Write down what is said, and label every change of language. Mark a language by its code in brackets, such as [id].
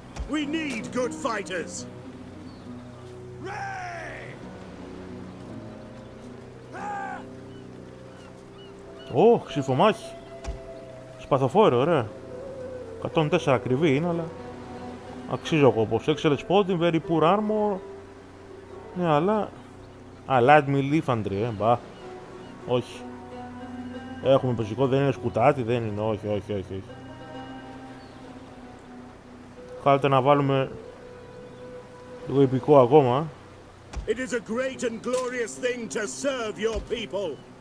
[en] We need good fighters. Ray! [el] Oh, ξυφομάχη. Σπαθοφόρο, ωραία. 104 ακριβή είναι, αλλά αξίζει ο κόπος. [en] Excellent spotting, very poor armor. [el] Ναι, αλλά light melee infantry, ε, μπα. Όχι. Έχουμε πεζικό, δεν είναι σκουτάτι, δεν είναι, όχι, όχι, όχι, όχι. Χάλετε να βάλουμε λίγο υπηκό ακόμα. [en] It is a great and glorious thing to serve your people.